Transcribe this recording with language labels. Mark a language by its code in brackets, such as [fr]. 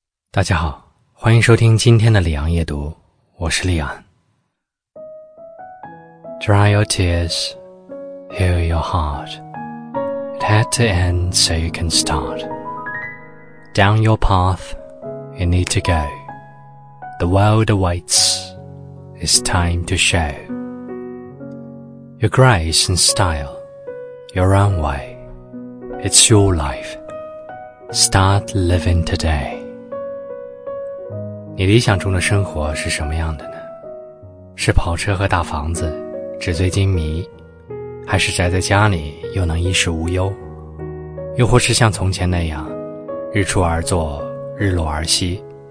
[zh] 大家好，欢迎收听今天的里昂夜读，我是里昂。 [en] Dry your tears, heal your heart. It had to end so you can start. Down your path, you need to go. The world awaits, it's time to show. Your grace and style, your own way. It's your life, start living today. [zh] 你理想中的生活是什么样的呢？是跑车和大房子，纸醉金迷，还是宅在家里又能衣食无忧？又或是像从前那样，日出而作，日落而息？